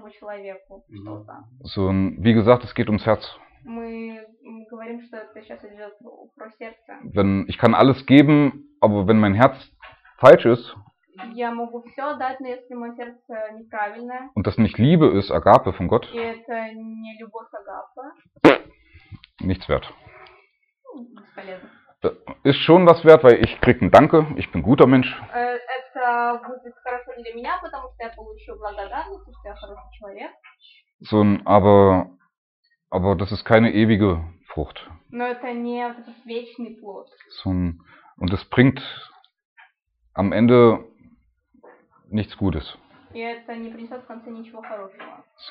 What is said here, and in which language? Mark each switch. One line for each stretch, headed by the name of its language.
German: Wie gesagt, es geht ums Herz. Wenn ich kann alles geben, aber wenn mein Herz falsch ist,
Russian: я могу все дать, но если мое сердце неправильное,
German: und das nicht Liebe ist, Agape von Gott,
Russian: и это не любовь Агапа,
German: nichts wert.
Russian: Бесполезно.
German: Ist schon was wert, weil ich krieg ein Danke, ich bin guter Mensch.
Russian: Это будет хорошо для меня, потому что я получу благодарность, потому что я хороший человек.
German: Aber das ist keine ewige Frucht.
Russian: Но это не вечный плод.
German: Und es bringt am Ende nichts Gutes.
Russian: И это не принесет в конце ничего хорошего.